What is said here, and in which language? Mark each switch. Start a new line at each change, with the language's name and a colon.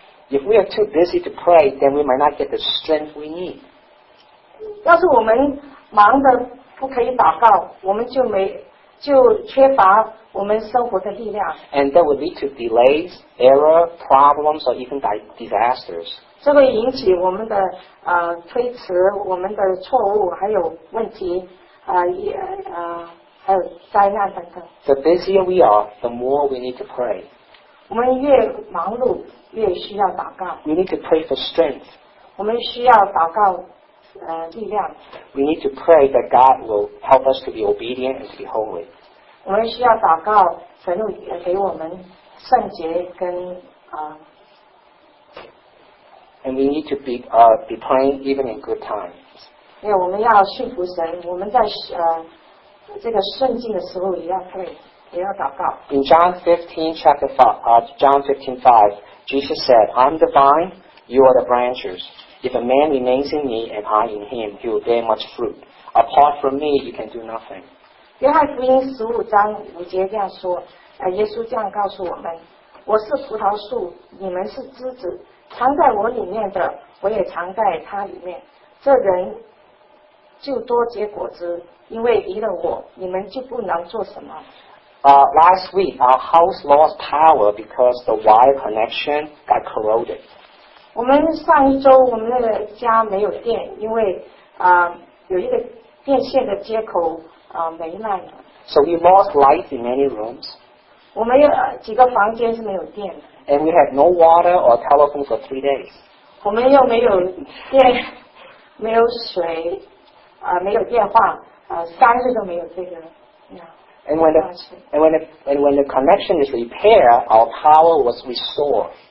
English: If we are too busy to pray, then we might not get the strength we need.
Chinese: 要是我们忙的不可以祷告，我们就缺乏我们生活的力量。
English: And that would lead to delays, error, problems, or even disasters.
Chinese: 这会引起我们的推迟，我们的错误，还有问题，还有灾难等等。
English: The busier we are, the more we need to pray.
Chinese: 我们越忙碌，越需要祷告。
English: We need to pray for strength.
Chinese: 我们需要祷告。力量。
English: We need to pray that God will help us to be obedient and to be holy.
Chinese: 我们需要祷告，神给我们圣洁跟
English: And we need to be praying even in good times.
Chinese: 因为我们要顺服神，我们在这个顺境的时候也要 pray， 也要祷告。
English: In John 15:5, Jesus said, "I'm the vine; you are the branches." If a man remains in me and I in him, he will bear much fruit. Apart from me, you can do nothing.
Chinese: 约翰福音十五章五节这样说，耶稣这样告诉我们，我是葡萄树，你们是枝子，藏在我里面的，我也藏在他里面。这人就多结果子，因为离了我，你们就不能做什么。
English: Last week, our house lost power because the wire connection got corroded.
Chinese: 我们上一周我们的家没有电，因为有一个电线的接口没烂了。
English: So we lost light in many rooms.
Chinese: 我们几个房间是没有电的。
English: And we had no water or telephone for 3 days.
Chinese: 我们又没有电，没有水，没有电话，三日都没有这个。
English: And when the connection is repaired, our power was restored.